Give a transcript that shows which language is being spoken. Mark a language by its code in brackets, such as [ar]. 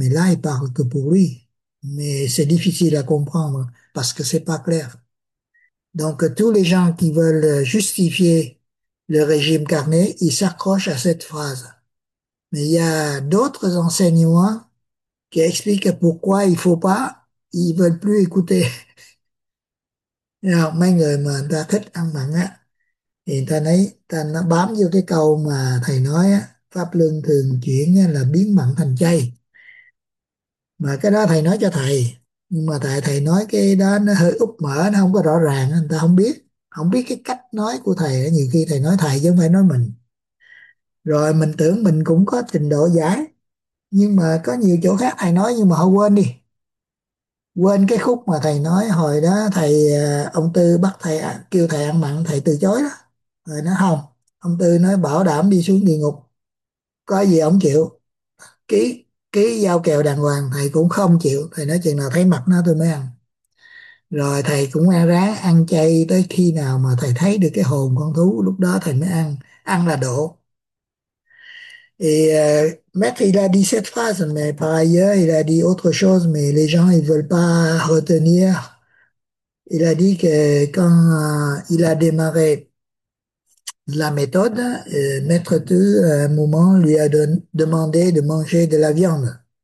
[fr] Mais là, il parle que pour lui. Mais c'est difficile à comprendre parce que c'est pas clair. Donc, tous les gens qui veulent justifier le régime carné, ils s'accrochent à cette phrase. Mais il y a d'autres enseignements qui expliquent pourquoi il faut pas, ils veulent plus écouter. [vi] Alors, mấy người mà người ta thích ăn mặn á, thì người ta bám vô cái câu mà thầy nói á, pháp luân thường chuyển là biến mặn thành chay. Mà cái đó thầy nói cho thầy, nhưng mà tại thầy nói cái đó nó hơi úp mở, nó không có rõ ràng, người ta không biết cái cách nói của thầy. Nhiều khi thầy nói thầy chứ không phải nói mình. Rồi mình tưởng mình cũng có trình độ giải, nhưng mà có nhiều chỗ khác thầy nói nhưng mà họ quên đi. Quên cái khúc mà thầy nói hồi đó, thầy ông Tư bắt thầy kêu thầy ăn mặn, thầy từ chối đó. Rồi nói không, ông Tư nói bảo đảm đi xuống địa ngục, có gì ông chịu. Ký ký giao kèo đàng hoàng, thầy cũng không chịu. Thầy nói chừng nào thấy mặt nó tôi mới ăn. Rồi thầy cũng ăn ráng ăn chay tới khi nào mà thầy thấy được cái hồn con thú, lúc đó thầy mới ăn. Ăn là độ. [fr] Et maître, il a dit cette phrase, mais par ailleurs, il a dit autre chose, mais les gens, ils veulent pas retenir. Il a dit que quand il a démarré la méthode, maître Tu, à un moment, lui a demandé de manger de la viande.